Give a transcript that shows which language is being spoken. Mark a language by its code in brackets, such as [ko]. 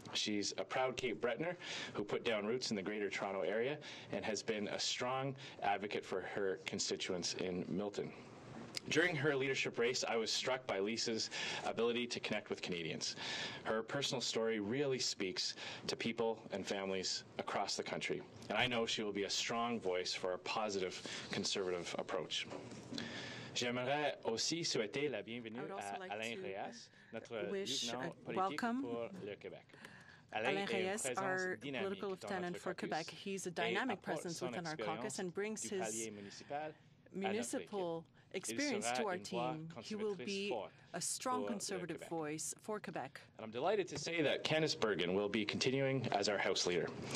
[en] She's a proud Cape Bretoner who put down roots in the Greater Toronto area and has been a strong advocate for her constituents in Milton. During her leadership race, I was struck by Lisa's ability to connect with Canadians. Her personal story really speaks to people and families across the country, and I know she will be a strong voice for a positive conservative approach. [fr] J'aimerais aussi souhaiter la bienvenue à Alain Reyes, notre lieutenant politique pour le Québec. [en] Alain Reyes, our political lieutenant for Quebec, he's a dynamic presence within our caucus and brings his municipal experience to our team. He will be a strong conservative voice for Quebec. And I'm delighted to say that Candace Bergen will be continuing as our House leader.